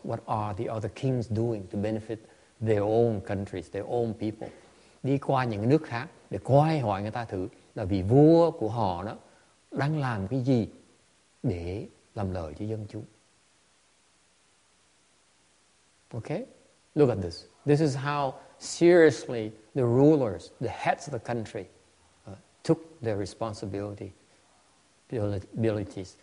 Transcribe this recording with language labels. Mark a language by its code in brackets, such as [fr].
[en] What are the other kings doing to benefit their own countries, their own people? [vi] Đi qua những nước khác để coi hỏi người ta thử là vị vua của họ đó đang làm cái gì để làm lợi cho dân chúng. [en] Okay? Look at this. This is how seriously the rulers, the heads of the country, took their responsibility, abilities.